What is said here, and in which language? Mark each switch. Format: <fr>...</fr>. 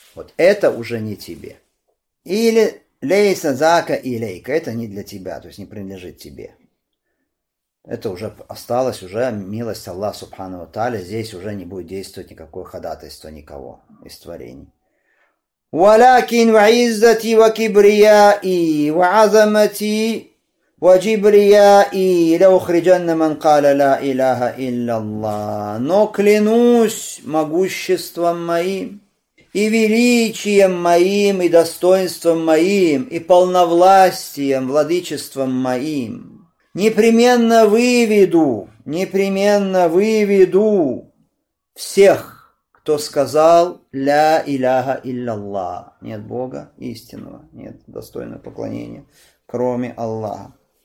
<ru>Вот это уже не тебе. Или</ru> <ar>лейса зака илейка.</ar> <ru>Это не для тебя, то есть не принадлежит тебе. Это уже осталось, уже милость Аллаха субхана ва тааля. Здесь уже не будет действовать никакое ходатайство никого из творений.</ru> <ar>ولكن عزتي وكبريائي وعظمتي وجبريائي لأخرجن من قال لا إله إلا الله.</ar> <ru>Но клянусь могуществом моим и величием моим и достоинством моим и полновластием, владычеством моим, непременно выведу всех, кто сказал «Ля иляха илляла» – нет Бога истинного, нет достойного поклонения, кроме Аллаха.</ru>